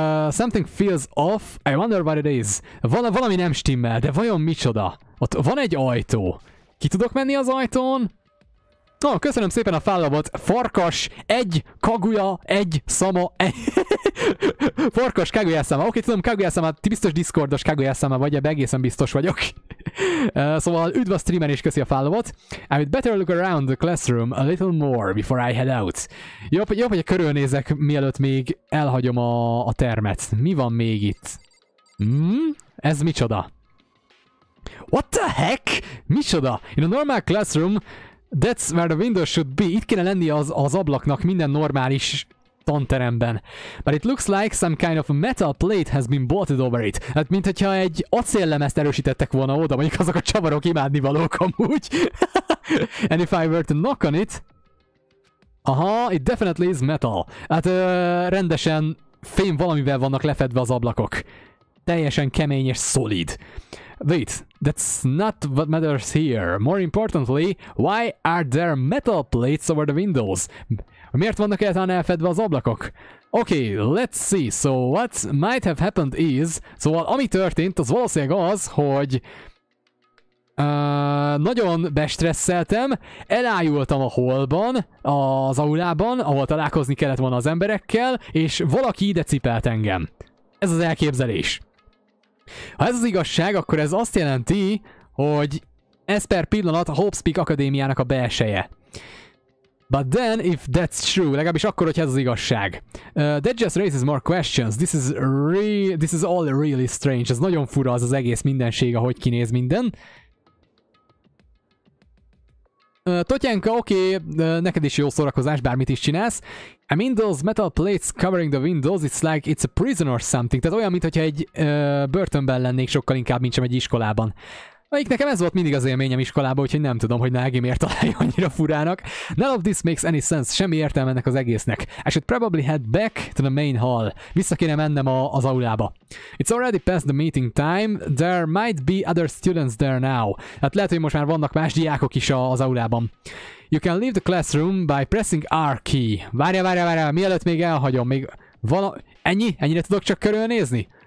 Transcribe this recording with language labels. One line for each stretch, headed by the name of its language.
English: Something feels off, I wonder what it is.
Hungarian: Valami nem stimmel, de vajon micsoda? Ott van egy ajtó. Ki tudok menni az ajtón? Ó, oh, köszönöm szépen a fállapot. Farkas, egy Kaguya, egy Sama, egy... Farkas, Kaguya-sama. Oké, tudom, Kaguya-sama, ti biztos Discordos Kaguya-sama vagy, ebben egészen biztos vagyok. Szóval üdv a streamen és köszi a fállapot.
English: I would better look around the classroom a little more before I head out.
Hungarian: Jobb, hogy körülnézek, mielőtt még elhagyom a termet. Mi van még itt? Ez micsoda?
English: What the heck?
Hungarian: Micsoda?
English: In a normal classroom, that's where the window should be.
Hungarian: Itt kéne lenni az ablaknak minden normális tanteremben.
English: But it looks like some kind of metal plate has been bolted over it.
Hungarian: Hát mint hogyha egy acéllemezt erősítettek volna oda, mondjuk azok a csavarok imádnivalók amúgy.
English: And if I were to knock on it... Aha, it definitely is metal.
Hungarian: Hát rendesen fém valamivel vannak lefedve az ablakok. Teljesen kemény és szolid.
English: Wait, that's not what matters here. More importantly, why are there metal plates over the windows?
Hungarian: Miért vannak egyáltalán elfedve az ablakok?
English: Okay, let's see. So what might have happened is...
Hungarian: Szóval ami történt, az valószínűleg az, hogy... nagyon bestresszeltem, elájultam a hallban, az aulában, ahol találkozni kellett volna az emberekkel, és valaki ide cipelt engem. Ez az elképzelés. Ha ez az igazság, akkor ez azt jelenti, hogy ez per pillanat a Hope Speak Akadémiának a belseje.
English: But then, if that's true,
Hungarian: legalábbis akkor, hogy ez az igazság.
English: That just raises more questions. This is all really strange.
Hungarian: Ez nagyon fura az egész mindenség, ahogy kinéz minden. Totyenka, oké, neked is jó szórakozás, bármit is csinálsz.
English: I mean those metal plates covering the windows, it's like it's a prison or something.
Hungarian: Tehát olyan, mintha egy börtönben lennék sokkal inkább, mint sem egy iskolában. Melyik nekem ez volt mindig az élményem iskolában, úgyhogy nem tudom, hogy Nagi miért találja annyira furának.
English: None of this makes any sense,
Hungarian: semmi értelme ennek az egésznek.
English: I should probably head back to the main hall.
Hungarian: Vissza kéne mennem az aulába.
English: It's already past the meeting time, there might be other students there now.
Hungarian: Hát lehet, hogy most már vannak más diákok is az aulában.
English: You can leave the classroom by pressing R key.
Hungarian: Várjál, mielőtt még elhagyom, még ennyi? Ennyire tudok csak körülnézni?